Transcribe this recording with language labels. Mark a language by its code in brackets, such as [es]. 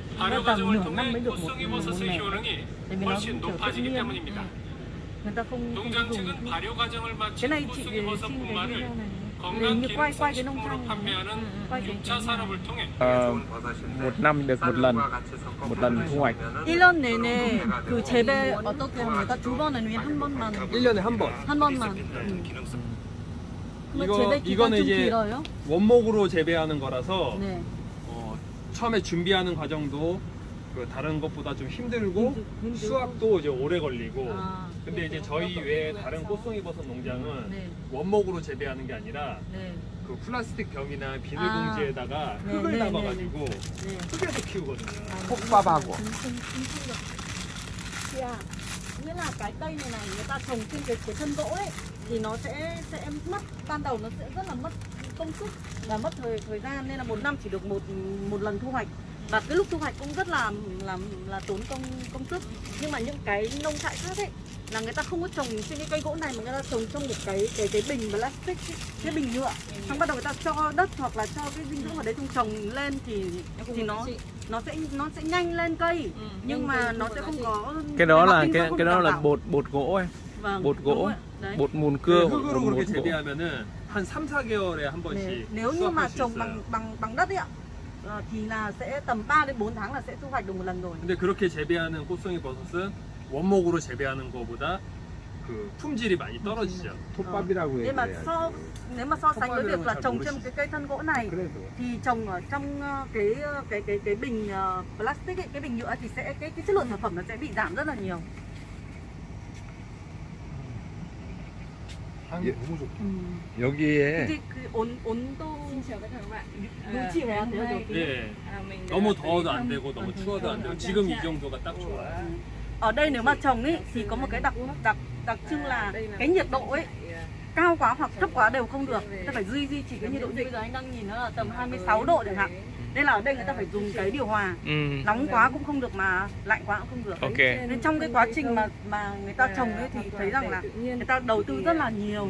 [ko] 발효 과정을 통해 코스닝버섯의 효능이 훨씬 높아지기 때문입니다. 농장측은 발효 과정을 마친 코스닝버섯 분말을 [vi] một năm được một lần, một lần thu hoạch. [ko] 1년 내내 그 재배 어떻게 합니까? 두 번 아니면 한 번만? 1년에 한 번. 한 번만. 이거 이거는 이제 원목으로 재배하는 거라서 처음에 준비하는 과정도 그 다른 것보다 좀 힘들고 수확도 이제 오래 걸리고. 근데 이제 저희 외에 다른 꽃송이버섯 농장은 원목으로 재배하는 게 아니라 그 플라스틱 병이나 비닐봉지에다가 흙을 담아가지고 흙에서 키우거든요. 폭밥하고. 야, 이나 갈등이나 이게 다 정신 그 전도에 [vi] thì nó sẽ mất ban đầu nó sẽ rất là mất công sức và mất thời gian nên là một năm chỉ được một lần thu hoạch. Và cái lúc thu hoạch cũng rất là tốn công sức. Nhưng mà những cái nông trại khác ấy là người ta không có trồng trên cái cây gỗ này mà người ta trồng trong một cái bình plastic, cái bình nhựa. Xong bắt đầu người ta cho đất hoặc là cho cái dinh dưỡng ở đấy trong trồng lên thì nó sẽ nhanh lên cây. Nhưng mà nó sẽ không có cái đó là bột gỗ ấy. Vâng, bột gỗ. Bột mùn cưa hoặc bột mùn gỗ. Nếu như mà trồng bằng đất ấy ạ. Thì là sẽ tầm 3 đến 4 tháng là sẽ thu hoạch được một lần rồi. [ko] 근데 그렇게 재배하는 꽃송이버섯은 원목으로 재배하는 거보다 그 품질이 많이 떨어지죠. 톱밥이라고 해요. 네마서 [vi] sánh với việc là trồng trên cái cây thân gỗ này thì trồng ở trong cái bình plastic ấy, cái bình nhựa thì sẽ cái chất lượng sản phẩm nó sẽ bị giảm rất là nhiều. [ko] 예, 너무 좋다. 여기에 온도 진짜 너무 너무 더워도 안 되고 너무 추워도 안 되고 지금 이 정도가 딱 좋아. [vi] Ở đây nếu mà trồng ấy thì có một cái đặc trưng là cái nhiệt độ ấy cao quá hoặc thấp quá đều không được. Ta phải duy trì cái nhiệt độ. Bây giờ anh đang nhìn nó là tầm 26 độ chẳng hạn. Nên là ở đây người ta phải dùng cái điều hòa. Nóng quá cũng không được mà lạnh quá cũng không được. Ok. Nên trong cái quá trình mà người ta trồng ấy thì thấy rằng là người ta đầu tư rất là nhiều.